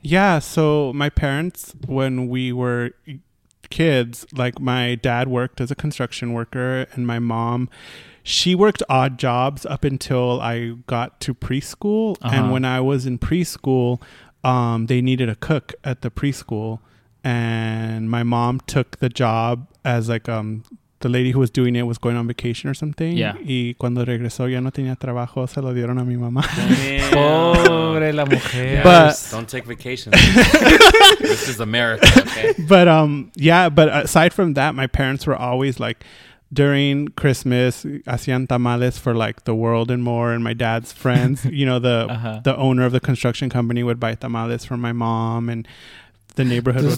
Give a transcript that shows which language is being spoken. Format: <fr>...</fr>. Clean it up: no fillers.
<en>Yeah, so my parents when we were kids, like my dad worked as a construction worker and my mom, she worked odd jobs up until I got to preschool. Uh-huh. And when I was in preschool, they needed a cook at the preschool, and my mom took the job as like the lady who was doing it was going on vacation or something. Yeah.</en> <es>Y cuando regresó ya no tenía trabajo, se lo dieron a mi mamá. Pobre la mujer.</es> <en>Yeah, but, don't take vacations. This is America, okay? But but aside from that, my parents were always like, during Christmas,</en> <es>hacían tamales</es> <en>for like the world and more. And my dad's friends, you know, the owner of the construction company would buy tamales for my mom and the neighborhood.</en>